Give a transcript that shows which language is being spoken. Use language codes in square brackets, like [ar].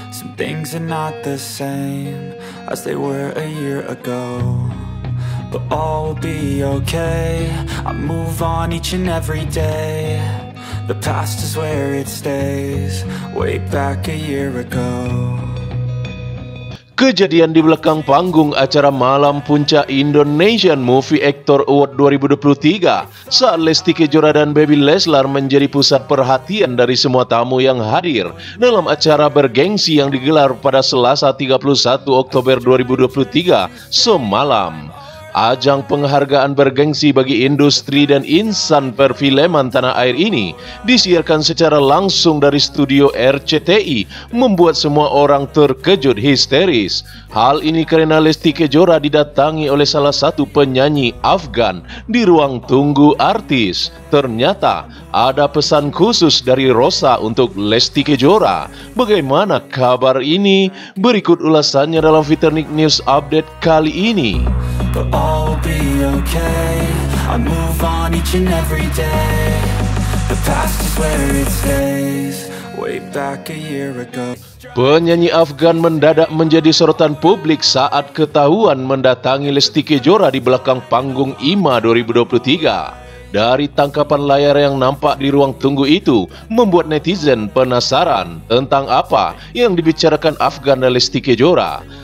[en] Some things are not the same as they were a year ago. But all will be okay, I move on each and every day. The past is where it stays, way back a year ago. [id] Kejadian di belakang panggung acara Malam Puncak Indonesian Movie Actor Award 2023 saat Lesti Kejora dan Baby Leslar menjadi pusat perhatian dari semua tamu yang hadir dalam acara bergengsi yang digelar pada Selasa 31 Oktober 2023 semalam. Ajang penghargaan bergengsi bagi industri dan insan perfilman tanah air ini disiarkan secara langsung dari studio RCTI membuat semua orang terkejut histeris. Hal ini karena Lesti Kejora didatangi oleh salah satu penyanyi Afgan di ruang tunggu artis. Ternyata ada pesan khusus dari Rosa untuk Lesti Kejora. Bagaimana kabar ini? Berikut ulasannya dalam Fiternik News Update kali ini. [en] But all will be okay, I move on each and every day. The past is where it stays, way back a year ago. [id] Penyanyi Afgan mendadak menjadi sorotan publik saat ketahuan mendatangi Lesti Kejora di belakang panggung IMA 2023. Dari tangkapan layar yang nampak di ruang tunggu itu, membuat netizen penasaran tentang apa yang dibicarakan Afgan dan Lesti Kejora.